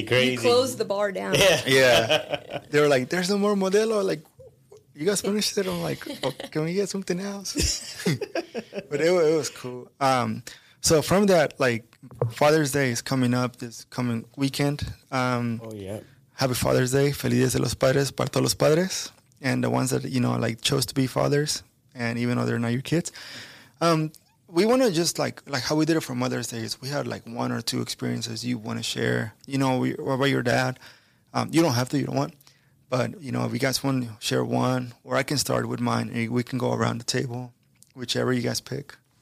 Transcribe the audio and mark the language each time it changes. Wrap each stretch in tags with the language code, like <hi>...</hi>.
<en>You closed the bar down. Yeah. They were like, there's no more Modelo. Like, you guys finished it? I'm like, oh, can we get something else? But it was cool. So from that, like, Father's Day is coming up this coming weekend. Happy Father's Day.</en> <es>Feliz Día de los Padres para todos los padres.</es> <en>And the ones that, you know, like, chose to be fathers, and even though they're not your kids. We want to just, like how we did it for Mother's Day, is we had, like, one or two experiences you want to share, you know, about your dad. You don't have to, you don't want. But, you know, if you guys want to share one, or I can start with mine, and we can go around the table, whichever you guys pick.</en>